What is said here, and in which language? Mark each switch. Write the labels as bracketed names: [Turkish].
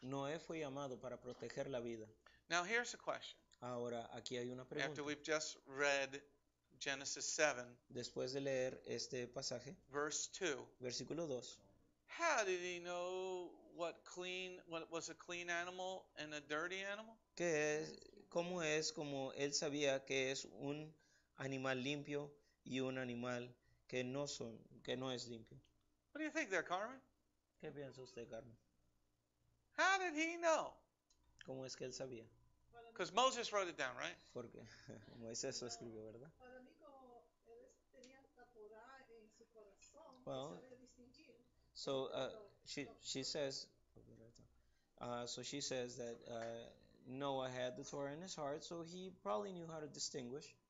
[Spanish] Noé fue llamado para proteger la vida. [English] Now here's a question. [Spanish] Ahora, aquí hay una pregunta. [English] After we've just read Genesis 7, [Spanish] después de leer este pasaje, [English] verse 2, [Spanish] versículo 2, [English] how did he know what was a clean animal and a dirty animal? [Spanish] ¿Qué es, cómo es como él sabía que es un animal limpio y un animal que no son, que no es limpio? [English] What do you think there, Carmen? [Spanish] ¿Qué piensa usted, Carmen? [English] How did he know? [Spanish] ¿Cómo es que él sabía? [English] Because Moses wrote it down, right? [Spanish] Porque Moisés lo escribió, ¿verdad? Para mí, como él tenía la Torah en su corazón, [English] well, [Spanish] sabía distinguir. [English] So she says that Noah had the Torah in his heart, so he probably knew how to distinguish.